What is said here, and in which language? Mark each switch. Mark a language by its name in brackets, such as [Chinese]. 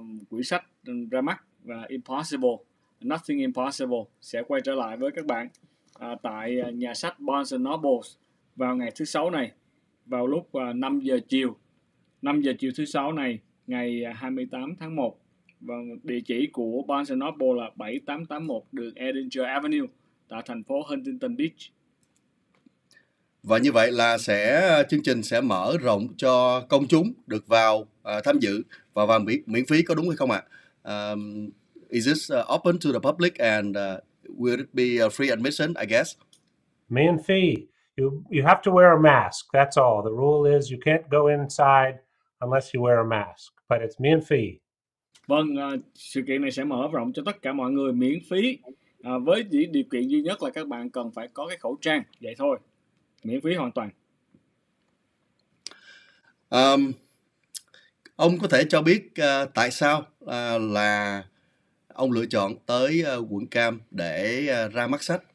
[Vietnamese] quỹ sách ra mắt và Impossible, Nothing Impossible sẽ quay trở lại với các bạn tại nhà sách Barnes & Noble vào ngày thứ sáu này, vào lúc 5 giờ chiều thứ sáu này, ngày 28 tháng 1, và địa chỉ của Barnes & Noble là 7881 đường Edinger Avenue tại thành phố Huntington Beach. Và như vậy là sẽ chương trình sẽ mở rộng cho công chúng được vào tham dự và vào miễn phí, có đúng hay không ạ? [English] Is this open to the public and would it be a free admission, I guess? [Vietnamese] Miễn phí. [English] You have to wear a mask. That's all. The rule is you can't go inside unless you wear a mask. But it's miễn phí. [Vietnamese] Vâng, sự kiện này sẽ mở rộng cho tất cả mọi người miễn phí. Với chỉ điều kiện duy nhất là các bạn cần phải có cái khẩu trang. Vậy thôi. Miễn phí hoàn toàn. Ông có thể cho biết tại sao là ông lựa chọn tới quận Cam để ra mắt sách?